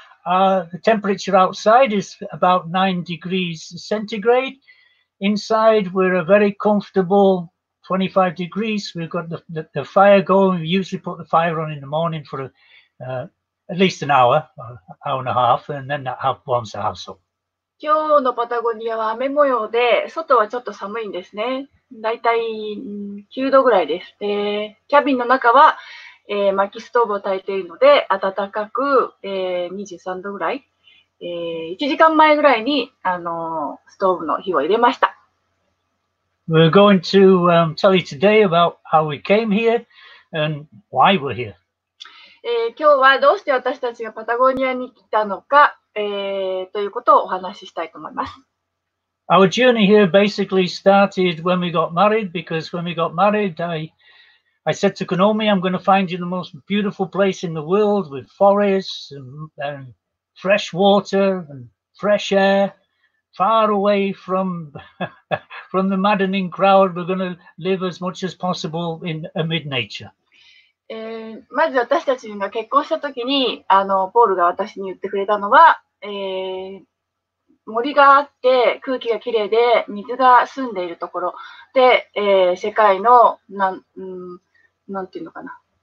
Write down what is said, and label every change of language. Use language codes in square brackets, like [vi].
[en] The temperature outside is about 9 degrees centigrade. Inside, we're a very comfortable 25 degrees. We've got the fire going. We usually put the fire on in the morning for at least an hour, hour and a half, and then that warms the house up. [ja] 今日のパタゴニアは雨模様で、外はちょっと寒いんですね。だいたい9度ぐらいです。で、キャビンの中は、薪ストーブを焚いているので、暖かく、23度ぐらい。 1時間前ぐらいに、ストーブの火を入れました。 [en] We're going to tell you today about how we came here and why we're here. [ja] 今日はどうして私たちがパタゴニアに来たのか、ということをお話ししたいと思います。 [en] Our journey here basically started when we got married, because when we got married, I said to Konomi, I'm going to find you the most beautiful place in the world with forests and fresh water and fresh air, far away from the maddening crowd. We're going to live as much as possible in amid nature. [ja] まず私たちが結婚したときに、ポールが私に言ってくれたのは、森があって、空気がきれいで、水が澄んでいるところで、世界のなんていうのかな、